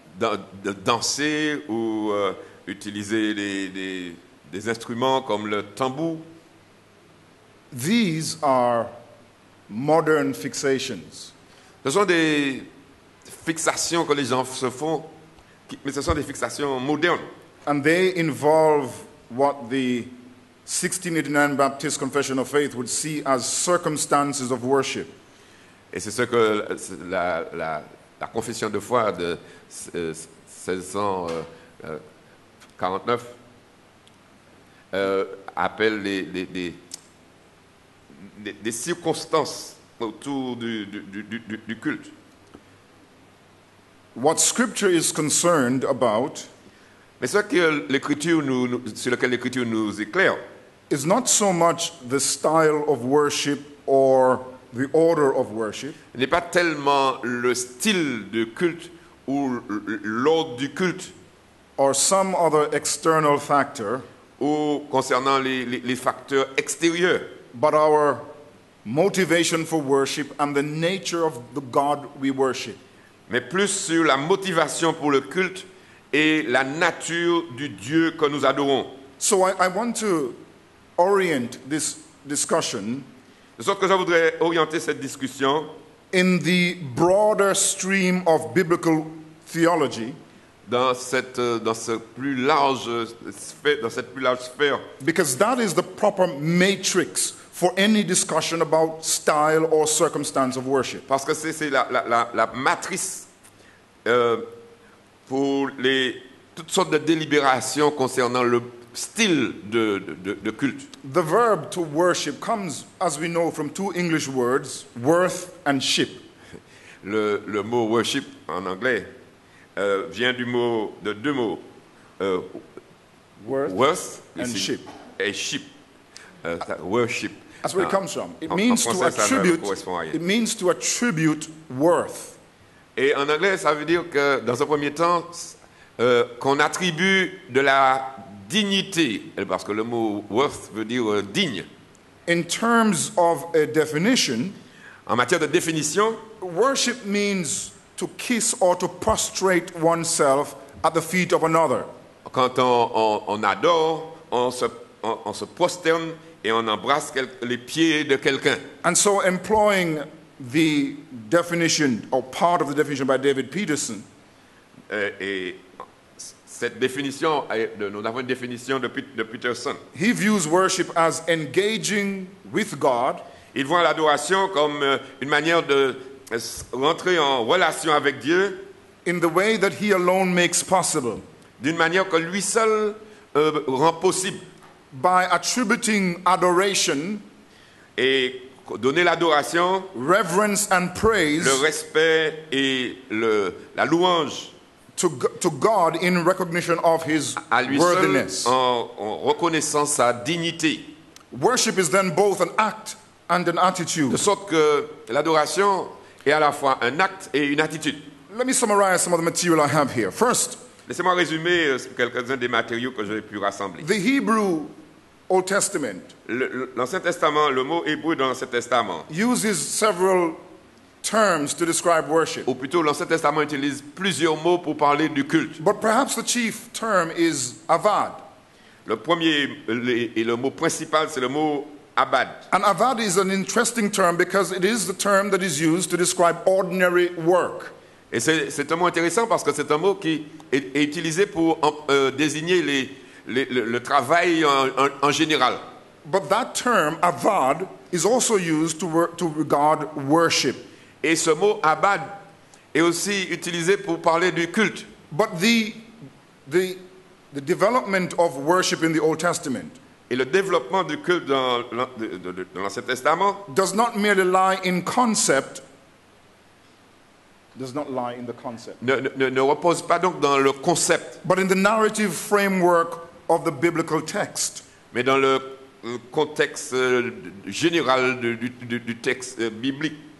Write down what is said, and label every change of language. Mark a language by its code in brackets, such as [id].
[fr] De danser ou utiliser des instruments comme le tambour. [en] These are modern fixations. [fr] Ce sont des fixations que les gens se font, mais ce sont des fixations modernes. [en] And they involve what the 1689 Baptist Confession of Faith would see as circumstances of worship. [fr] Et c'est ce que la confession de foi de 1649 appelle les circonstances autour du culte. [en] What scripture is concerned about, [fr] mais ce que l'écriture sur lequel l'écriture nous éclaire, [en] is not so much the style of worship or the order of worship, [fr] n'est pas tellement le style de culte ou l'ordre du culte, [en] or some other external factor, [fr] ou concernant les facteurs extérieurs, [en] but our motivation for worship and the nature of the God we worship. [fr] Mais plus sur la motivation pour le culte et la nature du Dieu que nous adorons. [en] So I want to orient this discussion. [fr] De sorte que je voudrais orienter cette discussion [en] in the broader stream of biblical theology. [fr] Dans cette plus large sphère. [en] Because that is the proper matrix for any discussion about style or circumstance of worship. [fr] Parce que c'est la matrice pour les toutes sortes de délibérations concernant le style de culte. [en] The verb to worship comes, as we know, from two English words, worth and ship. [fr] Le mot worship en anglais vient du mot de deux mots, [en] worth and ici, ship. [fr] Et ship, worship. [en] That's where it comes from. It means to attribute worth. [fr] Et en anglais, ça veut dire que dans un premier temps, qu'on attribue de la dignité, parce que le mot worth veut dire digne. [en] In terms of a definition, [fr] en matière de définition, [en] worship means to kiss or to prostrate oneself at the feet of another. [fr] Quand on adore, on se prosterne et on embrasse les pieds de quelqu'un. [en] And so employing the definition or part of the definition by David Peterson, [fr] cette définition, nous avons une définition de Peterson. [en] He views worship as engaging with God. [fr] Il voit l'adoration comme une manière de rentrer en relation avec Dieu. [en] In the way that he alone makes possible. [fr] D'une manière que lui seul rend possible. [en] By attributing adoration. [fr] Et donner l'adoration. [en] Reverence and praise. [fr] Le respect et la louange. [en] To God in recognition of his [fr] à lui [en] worthiness. [fr] Seul en reconnaissant sa dignité. [en] Worship is then both an act and an attitude. [fr] De sorte que l'adoration est à la fois un acte et une attitude. [en] Let me summarize some of the material I have here. First, [fr] laissez-moi résumer quelques-uns des matériaux que j'ai pu rassembler. [en] The Hebrew Old Testament. [fr] L'Ancien Testament, le mot hébreu dans l'Ancien Testament. [en] Uses several terms to describe worship. [fr] Ou plutôt, l'Ancien Testament utilise plusieurs mots pour parler du culte. [en] But perhaps the chief term is avad. [fr] Le premier et le mot principal, c'est le mot abad. [en] And avad is an interesting term because it is the term that is used to describe ordinary work. [fr] Et c'est un mot intéressant parce que c'est un mot qui est utilisé pour désigner le travail en général. [en] But that term avad is also used to regard worship. [fr] Et ce mot abad est aussi utilisé pour parler du culte. [en] But the development of worship in the Old Testament. [fr] Et le développement du culte dans l'Ancien Testament. [en] Does not merely lie in concept. Does not lie in the concept. [fr] Ne repose pas donc dans le concept. [en] But in the narrative framework of the biblical text. [fr] Mais dans le contexte général du texte biblique.